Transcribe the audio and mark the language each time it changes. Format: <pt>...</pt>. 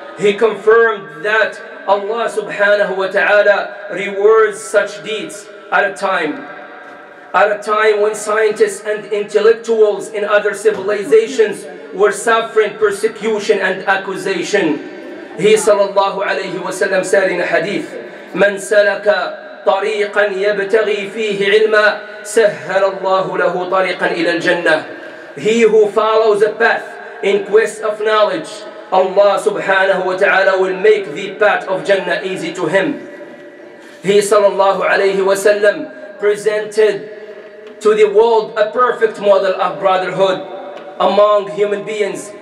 <en>He confirmed that Allah subhanahu wa ta'ala rewards such deeds at a time when scientists and intellectuals in other civilizations were suffering persecution and accusation. He sallallahu alayhi wa sallam said in a hadith,</en> <ar>من سلك طريقا يبتغي فيه علما سهل الله له طريقا إلى الجنة.</ar> <en>He who follows a path in quest of knowledge, Allah subhanahu wa ta'ala will make the path of Jannah easy to him. He sallallahu alayhi wa sallam presented to the world a perfect model of brotherhood among human beings.</en>